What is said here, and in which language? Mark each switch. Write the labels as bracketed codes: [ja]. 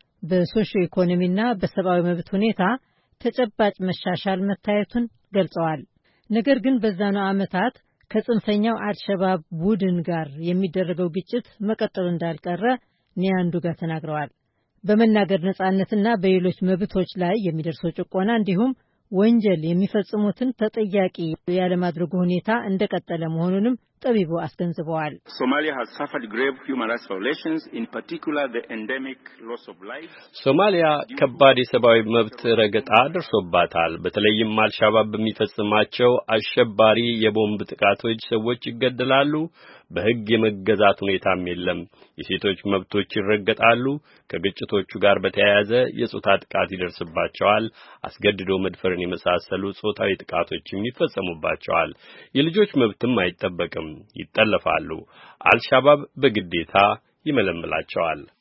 [am] በሶሺዮ ኢኮኖሚና በሰብአዊ መብት ሁኔታ ተጨባጭ መሻሻል መታየቱን ገልጸዋል። ነገር ግን በዛኑ ዓመታት ከጽንፈኛው አልሸባብ ቡድን ጋር የሚደረገው ግጭት መቀጠል እንዳልቀረ ኒያንዱጋ ተናግረዋል። በመናገር ነጻነትና በሌሎች መብቶች ላይ የሚደርሰው ጭቆና እንዲሁም ወንጀል የሚፈጽሙትን ተጠያቂ ያለማድረጉ ሁኔታ እንደቀጠለ መሆኑንም ጠቢቡ አስገንዝበዋል። [en] Somalia has suffered grave human rights violations, in particular the endemic loss of life. [am] ሶማሊያ ከባድ የሰብአዊ መብት ረገጣ ደርሶባታል። በተለይም ማልሻባብ በሚፈጽማቸው አሸባሪ የቦምብ ጥቃቶች ሰዎች ይገደላሉ። በሕግ የመገዛት ሁኔታም የለም። የሴቶች መብቶች ይረገጣሉ። ከግጭቶቹ ጋር በተያያዘ የጾታ ጥቃት ይደርስባቸዋል። አስገድዶ መድፈርን የመሳሰሉ ጾታዊ ጥቃቶችም ይፈጸሙባቸዋል። የልጆች መብትም አይጠበቅም፣ ይጠለፋሉ። አልሻባብ በግዴታ ይመለምላቸዋል።